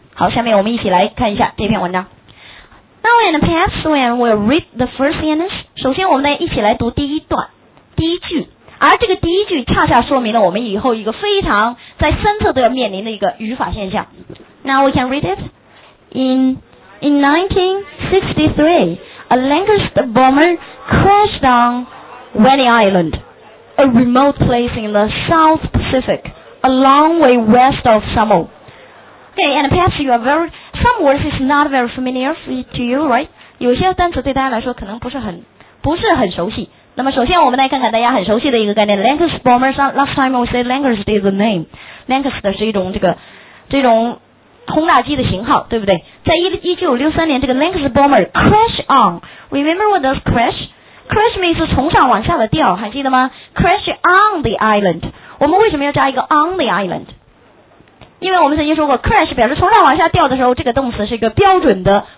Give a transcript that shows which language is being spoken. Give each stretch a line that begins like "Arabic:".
Chinese: 好，下面我们一起来看一下这篇文章。
English: Now in the past when we read the first sentence，
Chinese: 首先我们来一起来读第一段第一句，而这个第一句恰恰说明了我们以后一个非常在深刻都要面临的一个语法现象。
English: Now we can read it。 In 1963 a Lancaster bomber crashed on Wally Island, a remote place in the South Pacific, a long way west of Samoa。 Okay, and perhaps you are very, some words is not very familiar to you, right?
Chinese: 有些单词对大家来说可能不是很熟悉。那么首先我们来看看大家很熟悉的一个概念 ,
English: Lancaster bombers, last time we said Lancaster is the name.
Chinese: Lancaster 是一种这种轰炸机的型号，对不对？在1963年这个
English: Lancaster bomber crash on, remember what does crash? Crash means
Chinese: 从上往下的掉，还记得吗？
English: Crash on the island.
Chinese: 我们为什么要加一个
English: on the island?
Chinese: 因为我们曾经说过 crash 表示从上往下掉的时候，这个动词是一个标准的